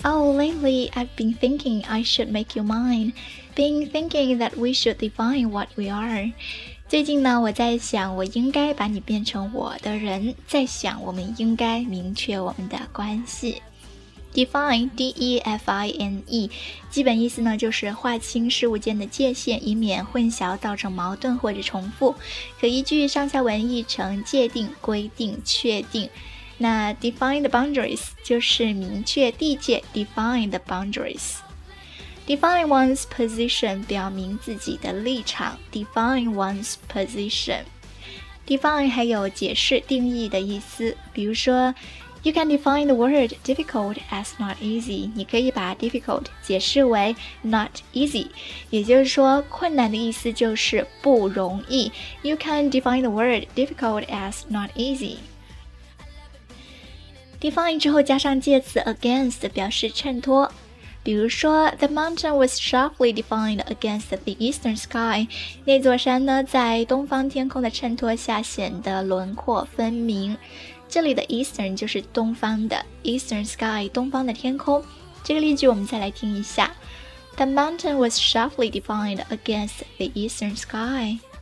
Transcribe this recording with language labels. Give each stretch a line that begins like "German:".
English: Lately, I've been thinking I should make you mine. Been thinking that we should define what we are.
Chinese: 最近呢，我在想我应该把你变成我的人，在想我们应该明确我们的关系。 Define, D-E-F-I-N-E, 基本意思呢就是划清事物间的界限，以免混淆造成矛盾或者重复。可依据上下文译成界定、规定、确定。
English: 那 define the boundaries
Chinese: 就是明确地界，
English: define the boundaries。 Define one's position
Chinese: 表明自己的立场
English: Define one's position Define
Chinese: 还有解释定义的意思比如说
English: You can define the word difficult as not easy.
Chinese: 你可以把 difficult 解释为
English: not easy.
Chinese: 也就是说困难的意思就是不容易。
English: You can define the word difficult as not easy.
Chinese: Define 之后加上介词 against 表示衬托。比如说
English: The mountain was sharply defined against the eastern sky.
Chinese: 那座山呢在东方天空的衬托下显得轮廓分明。这里的 Eastern 就是东方的 Eastern Sky 东方的天空这个例句我们再来听一下
English: The mountain was sharply defined against the Eastern Sky